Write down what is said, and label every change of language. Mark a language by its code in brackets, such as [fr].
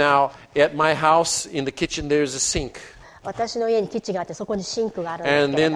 [en] Yeah. Now, at my house, in the kitchen, there's a sink. [ja] 私の家にキッチンがあって、そこにシンクがあるんですけれど。